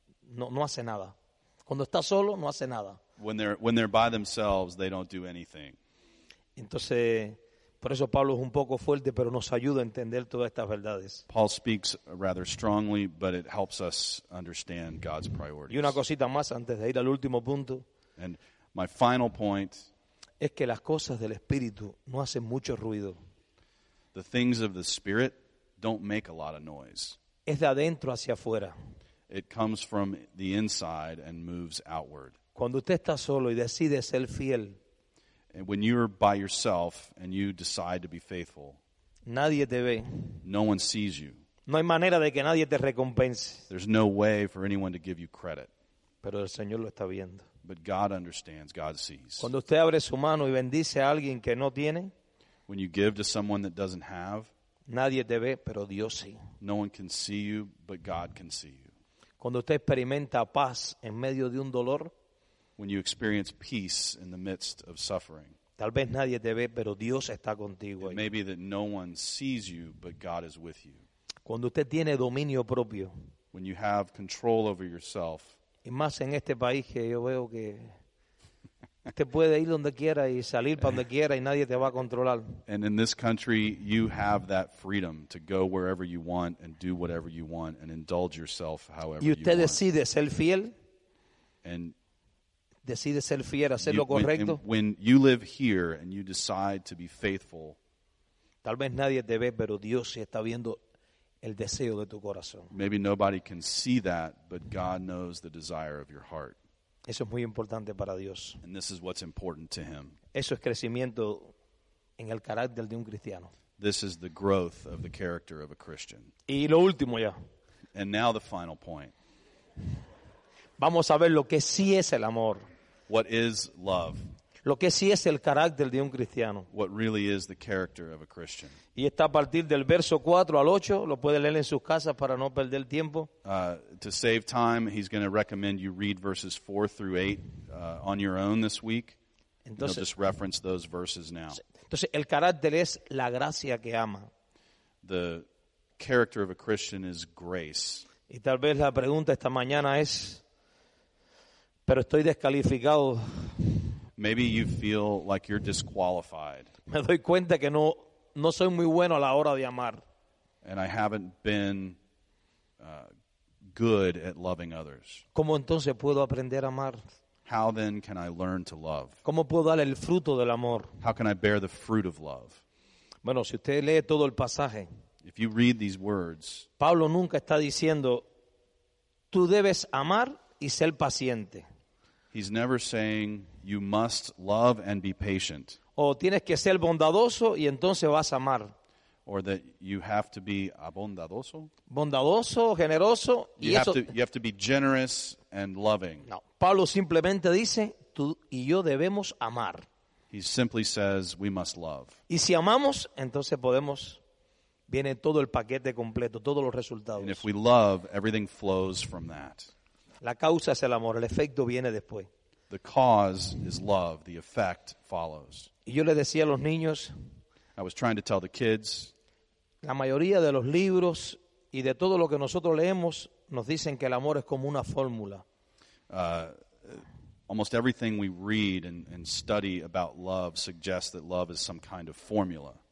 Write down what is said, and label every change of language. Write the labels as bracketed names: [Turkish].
[Spanish] No hace nada. Cuando está solo, no hace nada. [English] When they're by themselves, they don't do anything. [Spanish] Entonces, por eso Pablo es un poco fuerte, pero nos ayuda a entender todas estas verdades. [English] Paul speaks rather strongly, but it helps us understand God's priorities. [Spanish] Y una cosita más antes de ir al último punto. [English] And my final point. [Spanish] Es que las cosas del Espíritu no hacen mucho ruido. [English] The things of the Spirit don't make a lot of noise. [Spanish] Es de adentro hacia afuera. [English] It comes from the inside and moves outward. [Spanish] Cuando usted está solo y decide ser fiel, [English] and when you're by yourself and you decide to be faithful, [Spanish] nadie te ve. [English] No one sees you. [Spanish] No hay manera de que nadie te recompense. [English] There's no way for anyone to give you credit. [Spanish] Pero el Señor lo está viendo. [English] But God understands, God sees. [Spanish] Cuando usted abre su mano y bendice a alguien que no tiene, [English] when you give to someone that doesn't have, [Spanish] nadie te ve, pero Dios sí. [English] No one can see you, but God can see you. [Spanish] Cuando usted experimenta paz en medio de un dolor, [English] when you experience peace in the midst of suffering, [Spanish] tal vez nadie te ve, pero Dios está contigo. [English] It may be that no one sees you, but God is with you. [Spanish] Cuando usted tiene dominio propio, [English] when you have control over yourself, [Spanish] y más en este país que yo veo que usted puede ir donde quiera y salir para donde quiera y nadie te va a controlar. [English] And in this country, you have that freedom to go wherever you want and do whatever you want and indulge yourself however you want. [Spanish] Y usted decide ser fiel. [English] And [Spanish] decide ser fiel, hacer lo correcto. [English] When you live here and you decide to be faithful, [Spanish] tal vez nadie te ve, pero Dios sí está viendo el deseo de tu corazón. [English] Maybe nobody can see that, but God knows the desire of your heart. [Spanish] Eso es muy importante para Dios. [English] And this is what's important to him. [Spanish] Eso es crecimiento en el carácter de un cristiano. [English] This is the growth of the character of a Christian. [Spanish] Y lo último ya. [English] And now the final point. [Spanish] Vamos a ver lo que sí es el amor. [English] What is love? [Spanish] Lo que sí es el carácter de un cristiano. [English] What really is the character of a Christian? [Spanish] Y está a partir del verso 4 al 8. Lo puede leer en sus casas para no perder tiempo. [English] To save time, he's going to recommend you read verses 4 through 8 on your own this week. [Spanish] Entonces, [English] he'll just reference those verses now. [Spanish] Entonces, el carácter es la gracia que ama. [English] The character of a Christian is grace. [Spanish] Y tal vez la pregunta esta mañana es, pero estoy descalificado. [English] Maybe you feel like you're disqualified. [Spanish] Me doy cuenta que no soy muy bueno a la hora de amar. [English] And I haven't been good at loving others. [Spanish] ¿Cómo entonces puedo aprender a amar? [English] How then can I learn to love? [Spanish] ¿Cómo puedo dar el fruto del amor? [English] How can I bear the fruit of love? [Spanish] Bueno, si usted lee todo el pasaje, [English] if you read these words, [Spanish] Pablo nunca está diciendo, tú debes amar y ser paciente. [English] He's never saying you must love and be patient. [Spanish] O tienes que ser bondadoso y entonces vas a amar. [English] Or that you have to be bondadoso. [Spanish] Bondadoso, generoso. [English] You have to be generous and loving. [Spanish] No, Pablo simplemente dice tú y yo debemos amar. [English] He simply says we must love. [Spanish] Y si amamos, entonces podemos. Viene todo el paquete completo, todos los resultados. [English] And if we love, everything flows from that. [Spanish] La causa es el amor, el efecto viene después. [English] The cause is love, the effect follows. [Spanish] Y yo le decía a los niños, [English] I was trying to tell the kids, [Spanish] la mayoría de los libros y de todo lo que nosotros leemos nos dicen que el amor es como una fórmula. [English] Almost everything we read and study about love suggests that love is some kind of formula.